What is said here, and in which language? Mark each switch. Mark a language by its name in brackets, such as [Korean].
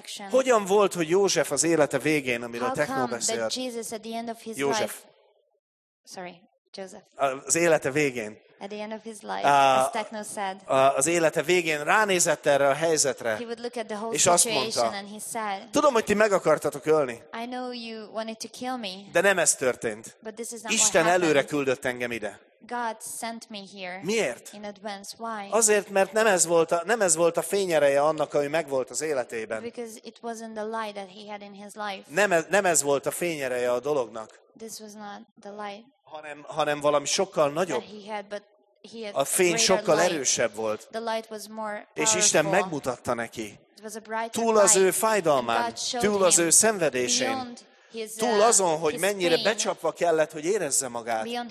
[Hungarian] Hogyan volt, hogy József az élete végén, amiről Techno beszélt? József. [English] Sorry, Joseph. [Hungarian] Az élete végén. [English] At the end of his life, as Techno said, [Hungarian] az élete végén ránézett erre a helyzetre, [English] he would look at the whole [Hungarian] és azt mondta, [English] and he said, [Hungarian] tudom, hogy ti meg akartatok ölni, [English] I know you wanted to kill me, [Hungarian] de nem ez történt. [English] But this is not [Hungarian] Isten előre küldött engem ide. [English] God sent me here. [Hungarian] Miért? [English] In advance. Why? [Hungarian] Azért, mert nem ez volt a fényereje annak, ami megvolt az életében. [English] Because it wasn't the light that he had in his life. [Hungarian] Nem ez volt a fényereje a dolognak. [English] This was not the light. [Hungarian] Hanem valami sokkal nagyobb. A fény sokkal erősebb volt. És Isten megmutatta neki. Túl az ő fájdalmán, túl az ő szenvedésén, túl azon, hogy mennyire becsapva kellett, hogy érezze magát.